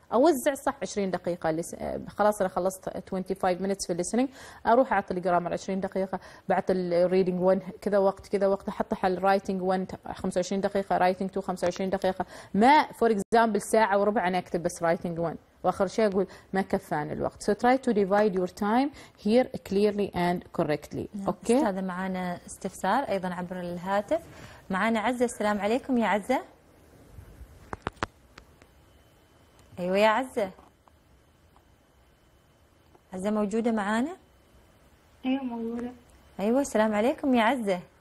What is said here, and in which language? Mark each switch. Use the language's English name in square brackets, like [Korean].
[Arabic] أوزع صح 20 دقيقة خلاص أنا خلصت 25 minutes في listening، أروح أعطي الجرامر 20 دقيقة، بعطي الريدنج 1 كذا وقت كذا وقت، أحط حل writing 1 25 دقيقة writing 2 25 دقيقة، ما for example ساعة وربع أنا أكتب بس writing 1 وآخر شيء أقول ما كفان الوقت. [English] So try to divide your time here clearly and correctly. [Arabic] أوكي. أستاذة معانا استفسار أيضا عبر الهاتف. معانا عزة، السلام عليكم يا عزة. أيوة يا عزة. عزة موجودة معانا؟ أيوة موجودة. أيوة السلام عليكم يا عزة.